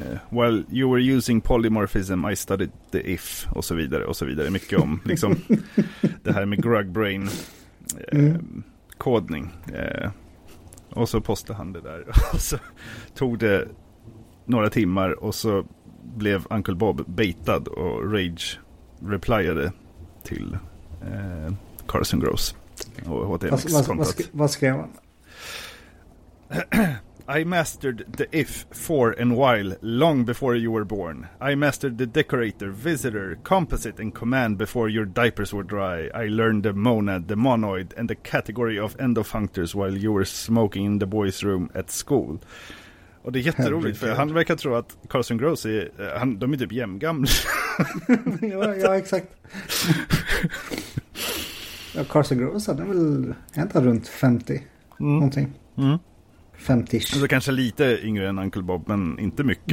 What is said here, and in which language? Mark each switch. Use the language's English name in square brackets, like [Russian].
[English] while you were using polymorphism I studied the if [Swedish] och så vidare och så vidare, mycket om liksom det här med grug brain kodning och så postade han det där och så tog det några timmar och så blev Uncle Bob baitad och rage replyade till Carson Gross och HTMX-kontot. Vad skrev han? [English] I mastered the if, for, and while long before you were born. I mastered the decorator, visitor, composite, and command before your diapers were dry. I learned the monad, the monoid, and the category of endofunctors while you were smoking in the boys' room at school. [Swedish] Och det är jätteroligt, för han verkar tro att Carson Gross är... de är typ jämngamla. Ja, exakt. Ja, Carson Gross är väl äntligen runt 50-någonting. Mm. 50-ish. Alltså kanske lite yngre än Uncle Bob, men inte mycket.